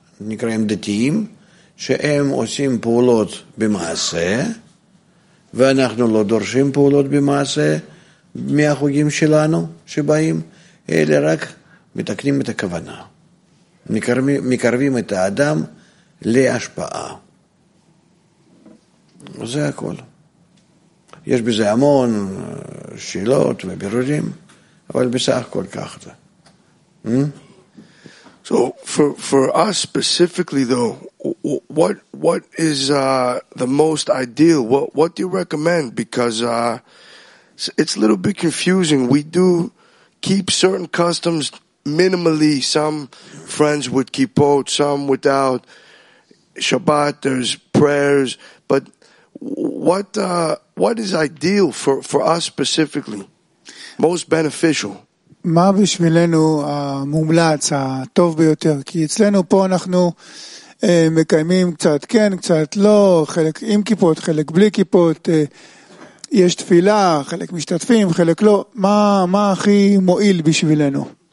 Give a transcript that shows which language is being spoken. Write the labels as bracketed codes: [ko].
[he] נקראים דתיים, שהם עושים פעולות במעשה, ואנחנו לא דורשים פעולות במעשה מהחוגים שלנו שבאים, אלא רק מתקנים את הכוונה. מקרבים את האדם להשפעה. זה הכל. יש בזה המון שאלות ובירורים, אבל בסך הכל כך זה. [en] So for us specifically though, what is the most ideal? What do you recommend? Because it's a little bit confusing. We do keep certain customs minimally. Some friends would keep out, some without. Shabbat, there's prayers, but what is ideal for us specifically? Most beneficial. [he] מה בשבילנו המומלץ, הטוב ביותר? כי אצלנו פה אנחנו מקיימים קצת כן, קצת לא, חלק עם כיפות, חלק בלי כיפות, יש תפילה, חלק משתתפים, חלק לא. מה הכי מועיל בשבילנו?